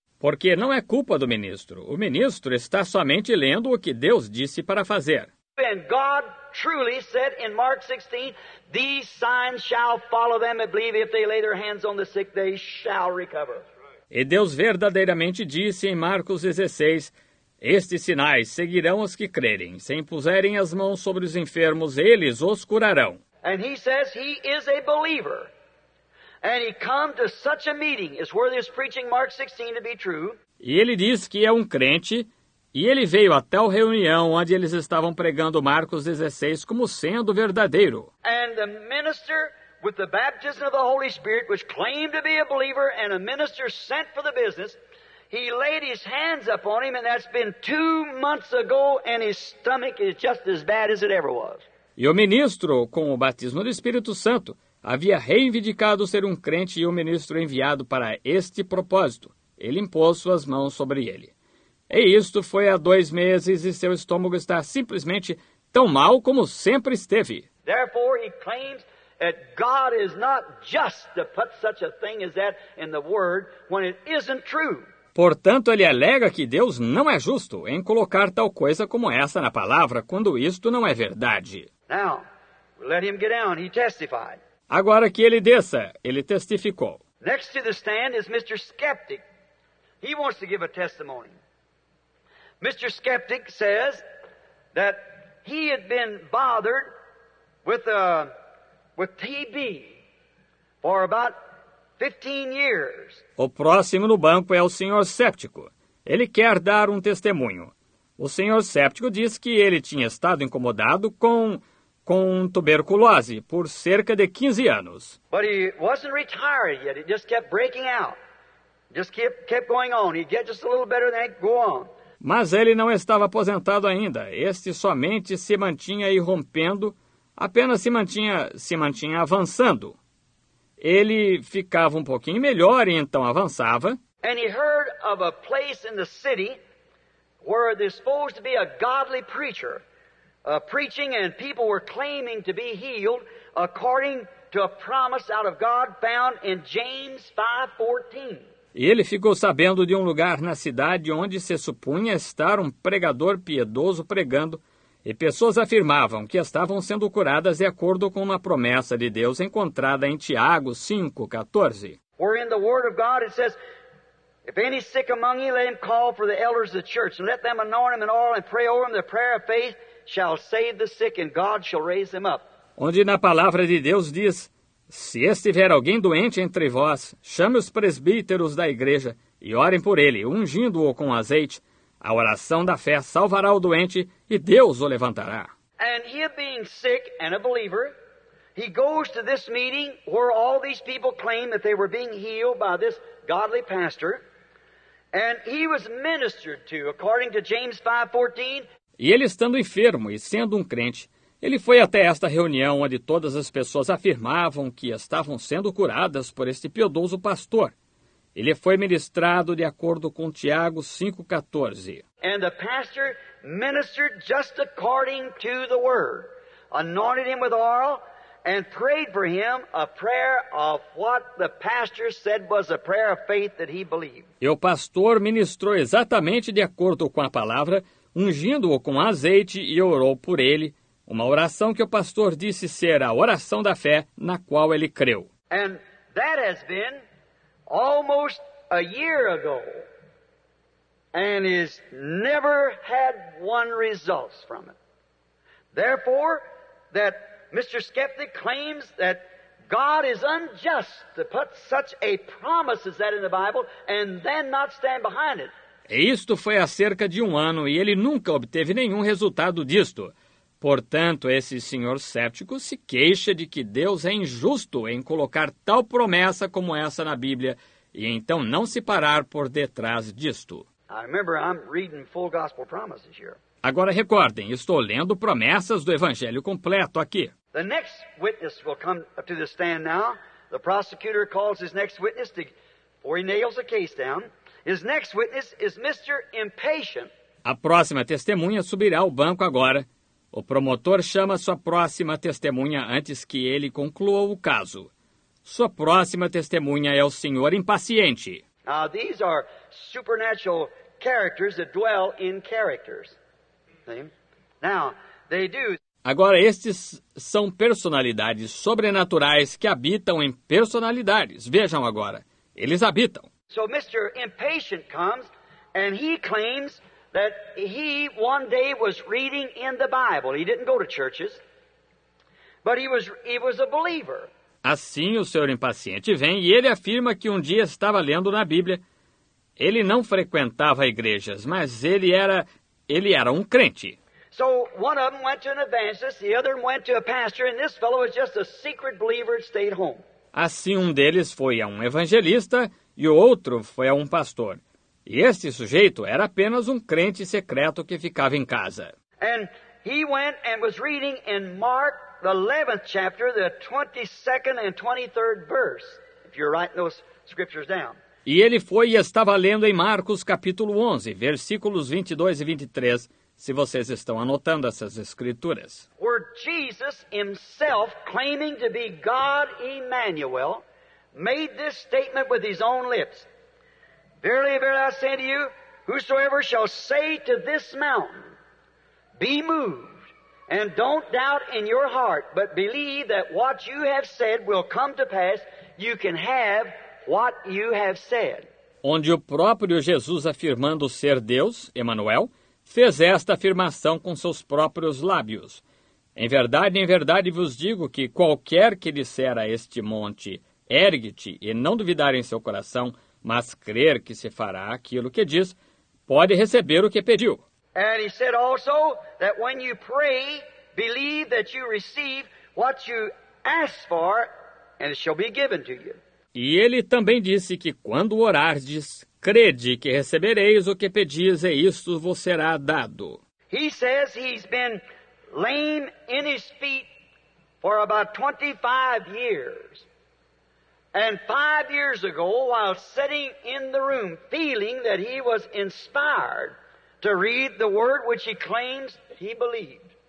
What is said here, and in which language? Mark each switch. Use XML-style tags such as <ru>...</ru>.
<pt>Porque não é culpa do ministro. O ministro está somente lendo o que Deus disse para fazer.</pt> <en>And God truly said in Mark 16, these signs shall follow them that believe if they lay their hands on the sick, they shall recover.</en> <pt>E Deus verdadeiramente disse em Marcos 16, estes sinais seguirão os que crerem. Se impuserem as mãos sobre os enfermos, eles os curarão.</pt> <en>And he says he is a believer. And he come to such a meeting is where this preaching Mark 16 to be true.</en> <pt>E ele diz que é um crente e ele veio até a reunião onde eles estavam pregando Marcos 16 como sendo verdadeiro.</pt> <en>And the minister with the baptism of the Holy Spirit which claimed to be a believer and a minister sent for the business, he laid his hands up on him and that's been 2 months ago and his stomach is just as bad as it ever was.</en> <pt>E o ministro com o batismo do Espírito Santo havia reivindicado ser um crente e o ministro enviado para este propósito. Ele impôs suas mãos sobre ele. E isto foi há 2 meses e seu estômago está simplesmente tão mal como sempre esteve.</pt> <en>Therefore, he claims that God is not just to put such a thing as that in the word when it isn't true.</en> <pt>Portanto, ele alega que Deus não é justo em colocar tal coisa como essa na palavra quando isto não é verdade.</pt> <en>Now, let him get down. He testified.</en> <pt>Agora que ele desça, ele testificou.</pt> <en>Next to the stand is Mr. Skeptic. He wants to give a testimony. Mr. Skeptic says that he had been bothered with TB for about 15 years.</en> <pt>O próximo no banco é o Sr. Séptico. Ele quer dar um testemunho. O Sr. Séptico diz que ele tinha estado incomodado com tuberculose por cerca de 15 anos.</pt> <en>But he wasn't retired yet. It just kept breaking out. Just kept going on. He'd get just a little better than go on.</en> <pt>Mas ele não estava aposentado ainda. Este somente se mantinha irrompendo, apenas se mantinha avançando. Ele ficava um pouquinho melhor e então avançava.</pt> <en>And he heard of a place in the city where there's supposed to be a godly preacher. Preaching and people were claiming to be healed according to a promise out of God found in James 5:14.</en> <pt>E ele ficou sabendo de um lugar na cidade onde se supunha estar um pregador piedoso pregando, e pessoas afirmavam que estavam sendo curadas de acordo com uma promessa de Deus encontrada em Tiago 5:14.</pt> <en>Where in the word of God it says, if any sick among you, let him call for the elders of the church, and let them anoint him in oil and pray over him the prayer of faith. Shall save the sick and God shall raise him up.</en> <pt>Onde na palavra de Deus diz, se estiver alguém doente entre vós, chame os presbíteros da igreja e orem por ele, ungindo-o com azeite. A oração da fé salvará o doente e Deus o levantará.</pt> <en>And he being sick and a believer, he goes to this meeting where all these people claim that they were being healed by this godly pastor. And he was ministered to, according to James 5:14.</en> <pt>E ele estando enfermo e sendo um crente, ele foi até esta reunião onde todas as pessoas afirmavam que estavam sendo curadas por este piedoso pastor. Ele foi ministrado de acordo com Tiago 5:14.</pt> <en>And the pastor ministered just according to the word, anointed him with oil, and prayed for him a prayer of what the pastor said was a prayer of faith that he believed.</en> <pt>E o pastor ministrou exatamente de acordo com a palavra, ungindo-o com azeite e orou por ele, uma oração que o pastor disse ser a oração da fé na qual ele creu.</pt> <en>And that has been almost a year ago, and has never had one result from it. Therefore, that Mr. Skeptic claims that God is unjust to put such a promise as that in the Bible and then not stand behind it.</en> <pt>E isto foi há cerca de um ano e ele nunca obteve nenhum resultado disto. Portanto, esse senhor cético se queixa de que Deus é injusto em colocar tal promessa como essa na Bíblia e então não se parar por detrás disto.</pt> <en>I remember I'm reading full gospel promises here.</en> <pt>Agora recordem, estou lendo promessas do Evangelho completo aqui.</pt> <en>The next witness will come to the stand now. The prosecutor calls his next witness before he nails the case down. His next witness is Mr. Impatient.</en> <pt>A próxima testemunha subirá ao banco agora. O promotor chama sua próxima testemunha antes que ele conclua o caso. Sua próxima testemunha é o senhor impaciente.</pt> <en>Now, these are supernatural characters that dwell in characters. Now, they do.</en> <pt>Agora, estes são personalidades sobrenaturais que habitam em personalidades. Vejam agora, eles habitam.</pt> <en>So Mr. Impatient comes and he claims that he one day was reading in the Bible. He didn't go to churches, but he was a believer.</en> <pt>Assim, o senhor impaciente vem e ele afirma que um dia estava lendo na Bíblia. Ele não frequentava igrejas, mas ele era um crente.</pt> <en>So one of them went to an evangelist, the other went to a pastor, and this fellow was just a secret believer that stayed home.</en> <pt>Assim, um deles foi a um evangelista e o outro foi a um pastor. E este sujeito era apenas um crente secreto que ficava em casa.</pt> <en>And he went and was reading in Mark, the 11th chapter, the 22nd and 23rd verse, if you're writing those scriptures down.</en> <pt>E ele foi e estava lendo em Marcos, capítulo 11, versículos 22 e 23, se vocês estão anotando essas escrituras.</pt> <en>Where Jesus himself, claiming to be God Emmanuel, made this statement with his own lips. Verily, verily, I say to you, whosoever shall say to this mountain, be moved, and don't doubt in your heart, but believe that what you have said will come to pass, you can have what you have said.</en> <pt>Onde o próprio Jesus, afirmando ser Deus, Emmanuel, fez esta afirmação com seus próprios lábios. Em verdade vos digo que qualquer que disser a este monte, ergue-te, e não duvidar em seu coração, mas crer que se fará aquilo que diz, pode receber o que pediu.</pt> <en>And he said also that when you pray, believe that you receive what you ask for, and it shall be given to you.</en> <pt>E ele também disse que quando orardes, crede que recebereis o que pedis e isto vos será dado.</pt> <en>He says he's been lame in his feet for about 25 years. And 5 years ago, while sitting in the room, feeling that he was inspired to read the word which he claims he believed.</en>